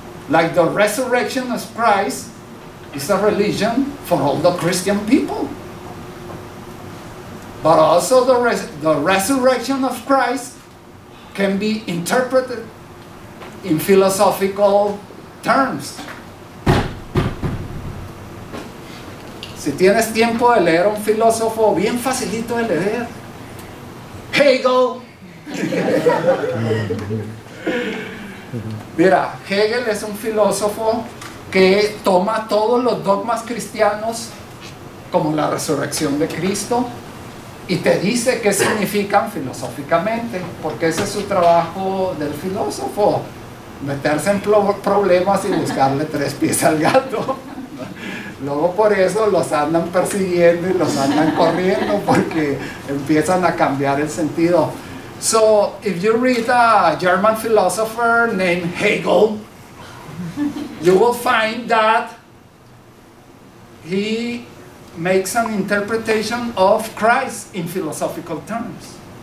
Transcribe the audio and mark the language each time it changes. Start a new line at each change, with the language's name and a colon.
English: Like the resurrection of Christ is a religion for all the Christian people. But also the resurrection of Christ can be interpreted in philosophical terms.
Spanish: Si tienes tiempo de leer un filósofo, bien facilito de leer. Hegel. Mira, Hegel es un filósofo que toma todos los dogmas cristianos como la resurrección de Cristo y te dice qué significan filosóficamente, porque ese es su trabajo del filósofo, meterse en problemas y buscarle tres pies al gato. Luego por eso los andan persiguiendo y los andan corriendo, porque empiezan a cambiar el sentido.
English: So, if you read a German philosopher named Hegel, you will find that he makes an interpretation of Christ in philosophical terms.